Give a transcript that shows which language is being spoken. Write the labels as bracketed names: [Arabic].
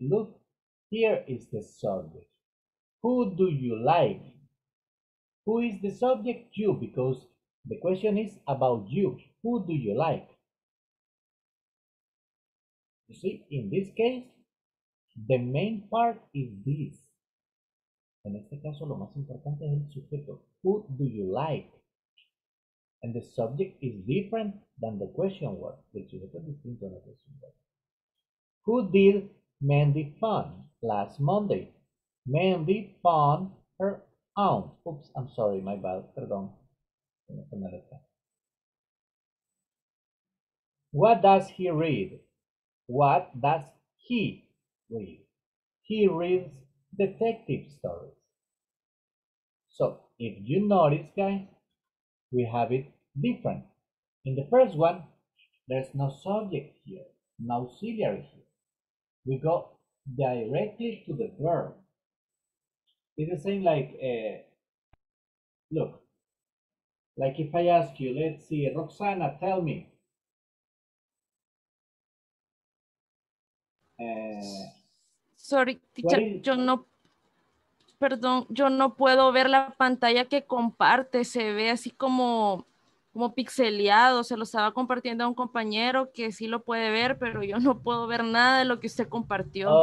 [English] Look, here is the subject. Who do you like? Who is the subject? You, because the question is about you. Who do you like? You see, in this case, the main part is this. [Spanish] En este caso, lo más importante es el sujeto. [English] Who do you like? And the subject is different than the question word. The [Spanish] sujeto es distinto a [English] question word. Who did Mandy phone last Monday? Mandy phoned her aunt. Oops, I'm sorry, my bad. [Spanish] Perdón. [English] What does he read? What does he read? He reads detective stories. So if you notice, guys, we have it different. In the first one, there's no subject here, no auxiliary here. We go directly to the verb. It's the same like, look. Like if I ask you, let's see, Roxana, tell me. Sorry, teacher, [Spanish] yo no, perdón, yo no puedo ver la pantalla que comparte, se ve así como pixeleado, se lo estaba compartiendo a un compañero que sí lo puede ver, pero yo no puedo ver nada de lo que usted compartió.